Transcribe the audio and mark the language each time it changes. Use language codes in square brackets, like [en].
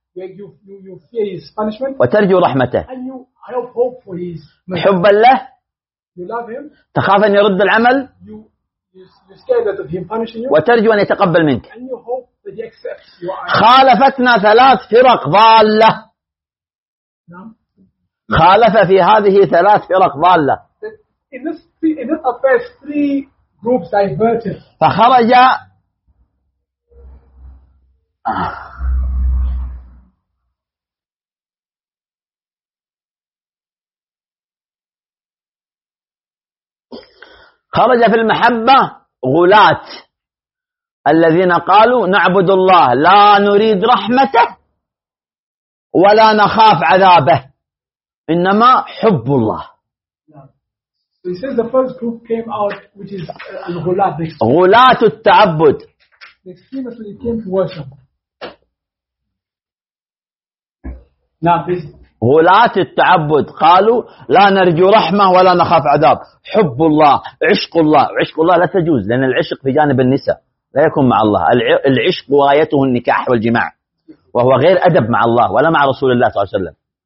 [en] You fear his punishment. [ar] وترجو رحمته. [en] And you have hope for his [ar] mercy. حبا له. [en] You love him. [ar] تخاف أن يرد العمل. [en] You scared that of him punishing you. [ar] وترجو أن يتقبل منك. [en] And you hope that he accepts you. [ar] خالفتنا ثلاث فرق ضالة. نعم. خالف في هذه ثلاث فرق ضالة. [en] In this affairs three groups diverted. [ar] فخرج. خرج في المحبة غلاة الذين قالوا نعبد الله لا نريد رحمته ولا نخاف عذابه إنما حب الله. [en] So he says the first group came out which is الغلاة. [ar] غلاة التعبد. [en] The extremists when they came to worship. Now this. [ar] غلاة التعبد قالوا لا نرجو رحمة ولا نخاف عذاب. حب الله عشق الله. عشق الله لا تجوز لأن العشق في جانب النساء لا يكون مع الله. العشق غايته النكاح والجماع وهو غير أدب مع الله ولا مع رسول الله صلى الله عليه وسلم.